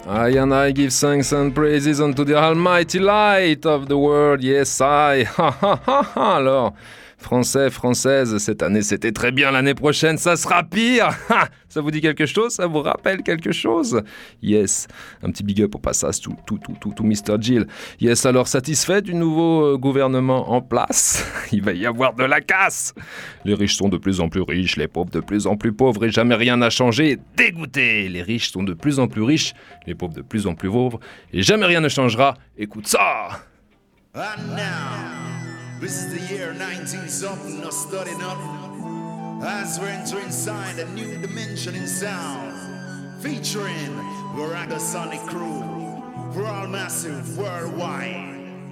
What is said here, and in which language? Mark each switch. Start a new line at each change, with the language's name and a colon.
English: And I give thanks and praises unto the almighty light of the world. Yes, I.
French: Alors, français, française, cette année c'était très bien, l'année prochaine ça sera pire. Ça vous dit quelque chose? Ça vous rappelle quelque chose? Yes, un petit big up au passage, tout Mr. Jill. Yes, alors satisfait du nouveau gouvernement en place? Il va y avoir de la casse. Les riches sont de plus en plus riches, les pauvres de plus en plus pauvres et jamais rien n'a changé. Dégoûté! Les riches sont de plus en plus riches, les pauvres de plus en plus pauvres et jamais rien ne changera. Écoute ça!
English: And now, this is the year 1970, not studying up. As we enter inside a new dimension in sound, featuring the Ragasonic crew, world massive, worldwide.